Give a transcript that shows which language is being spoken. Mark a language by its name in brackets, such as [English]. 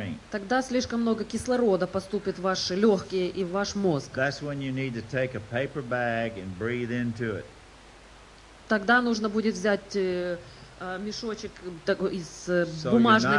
[Russian] Тогда слишком много кислорода поступит в ваши легкие и в ваш мозг. [English] That's when you need to take a paper bag and breathe into it. [Russian] Тогда нужно будет взять мешочек такой из бумажный